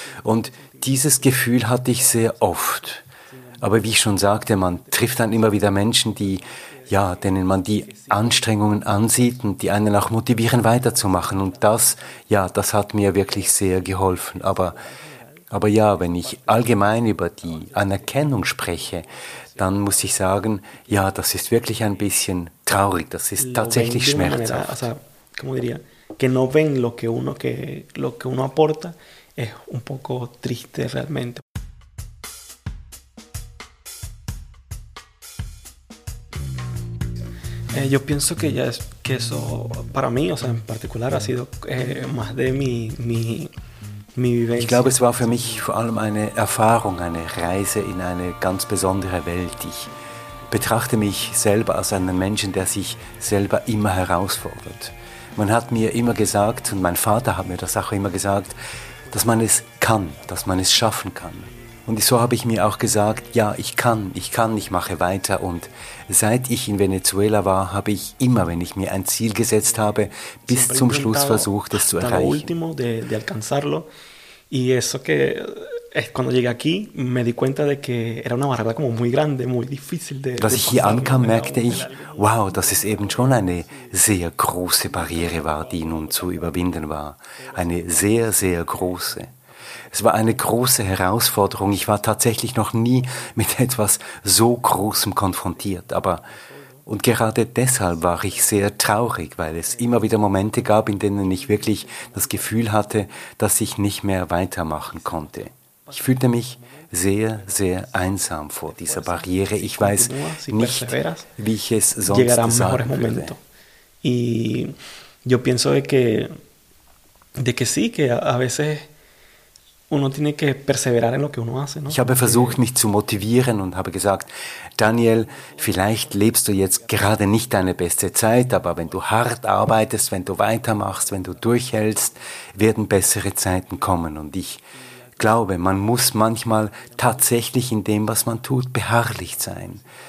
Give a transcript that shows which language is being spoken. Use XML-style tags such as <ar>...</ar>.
<de>Und dieses Gefühl hatte ich sehr oft. Aber wie ich schon sagte, man trifft dann immer wieder Menschen, die, ja, denen man die Anstrengungen ansieht und die einen auch motivieren, weiterzumachen. Und das, ja, das hat mir wirklich sehr geholfen. Aber ja, wenn ich allgemein über die Anerkennung spreche, dann muss ich sagen, ja, das ist wirklich ein bisschen traurig. Das ist tatsächlich schmerzhaft.</de> <es>Also, como diría, que no ven lo que uno aporta, es un poco triste realmente. Yo pienso que ya es que eso para mí, o sea, en particular ha sido más de mi vivencia.</es> <de>Ich glaube, es war für mich vor allem eine Erfahrung, eine Reise in eine ganz besondere Welt. Ich betrachte mich selber als einen Menschen, der sich selber immer herausfordert. Man hat mir immer gesagt, und mein Vater hat mir das auch immer gesagt, dass man es kann, dass man es schaffen kann. Und so habe ich mir auch gesagt, ja, ich kann, ich mache weiter. Und seit ich in Venezuela war, habe ich immer, wenn ich mir ein Ziel gesetzt habe, bis zum Schluss versucht, es zu erreichen.</de> <es>Hasta lo último de alcanzarlo. Y eso que es cuando llegué aquí, me di cuenta de que era una barrera como muy grande, muy difícil de.</es> <de>Als ich hier ankam, merkte ich, wow, dass es eben schon eine sehr große Barriere war, die nun zu überwinden war. Eine sehr, sehr große. Es war eine große Herausforderung. Ich war tatsächlich noch nie mit etwas so Großem konfrontiert. Und gerade deshalb war ich sehr traurig, weil es immer wieder Momente gab, in denen ich wirklich das Gefühl hatte, dass ich nicht mehr weitermachen konnte. Ich fühlte mich sehr, sehr einsam vor dieser Barriere. Ich weiß nicht, wie ich es sonst sagen würde. Und ich denke, dass ja,</de> <es>que a veces uno tiene que perseverar en lo que uno hace, ¿no?</es> <de>Ich habe versucht, mich zu motivieren und habe gesagt, Daniel, vielleicht lebst du jetzt gerade nicht deine beste Zeit, aber wenn du hart arbeitest, wenn du weitermachst, wenn du durchhältst, werden bessere Zeiten kommen. Und ich glaube, man muss manchmal tatsächlich in dem, was man tut, beharrlich sein.</de>